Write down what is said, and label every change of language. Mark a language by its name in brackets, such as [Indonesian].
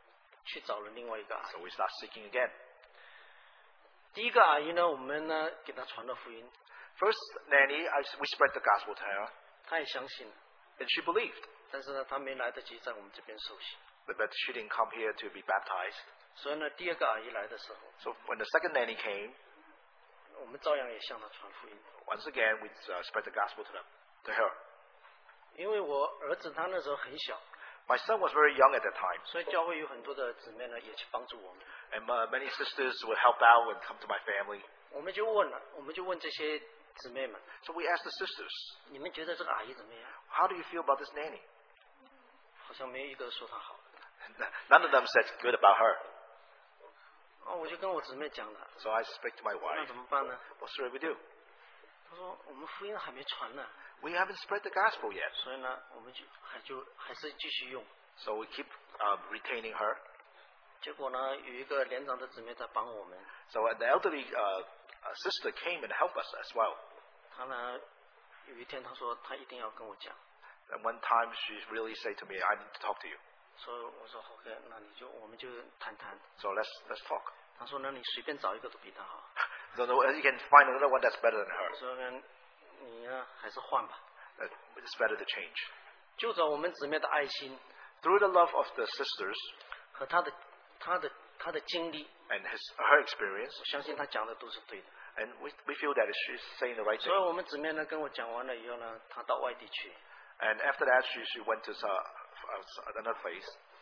[Chinese] 我们又去找了另外一个阿姨, [English] so we start seeking again. [Chinese] 第一个阿姨呢, 我们呢, 给她传了福音, [English] first nanny, we spread the gospel to her. [Chinese] 她也相信, [English] and she believed. [Chinese] 但是呢, [English] but she didn't come here to be baptized. [Chinese] 所以呢, 第二个阿姨来的时候, [English] so when the second nanny came, once again, we spread the gospel to them, to her. [Chinese] 因为我儿子他那时候很小, [English] my son was very young at that time. [Chinese] 所以教会有很多的姊妹呢, 也去帮助我们, [English] and many sisters would help out and come to my family. [Chinese] 我们就问了, 我们就问这些姊妹们, [English] so we asked the sisters, [Chinese] 你们觉得这个阿姨怎么样? [English] How do you feel about this nanny? [Chinese] 好像没有一个说她好, [English] none of them said good about her. [Chinese] 哦,我就跟我姊妹讲了, [English] so I speak to my wife. [Chinese] 那怎么办呢? [English] What should we do? [Chinese] 她说,我们福音还没传呢, [English] we haven't spread the gospel yet. [Chinese] 所以呢,我们就还是继续用, [English] so we keep retaining her. [Chinese] 结果呢,有一个年长的姊妹在帮我们, [English] so the elderly sister came and helped us as well. [Chinese] 她呢,有一天她说,她一定要跟我讲, [English] and one time she really said to me, I need to talk to you. [Chinese] 所以我说, okay, 那你就, 我们就谈谈, [English] so let's talk. [Chinese] 他说呢,你随便找一个都比他好, [English] so no, you can find another one that's better than her. [Chinese] 我说呢,你呢,还是换吧, [English] it's better to change. [Chinese] 就着我们姊妹的爱心, [English] through the love of the sisters [Chinese] 和他的经历, [English] and her experience, [Chinese] 我相信他讲的都是对的, [English] and we feel that she's saying the right thing. [Chinese] 所以我们姊妹呢,跟我讲完了以后呢, 她到外地去, [English] and after that she went to another place.